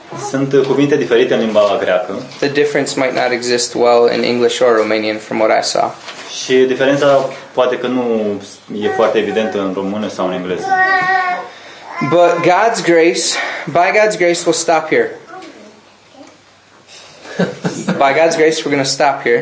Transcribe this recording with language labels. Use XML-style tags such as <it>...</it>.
<ro>Sunt cuvinte diferite în limba greacă.</ro> <en>The difference might not exist well in English or Romanian from what I saw.</en> <ro>Și diferența poate că nu e foarte evidentă în română sau în engleză.</ro> <en>But God's grace, by God's grace we'll stop here. By God's grace we're going to stop here.</en>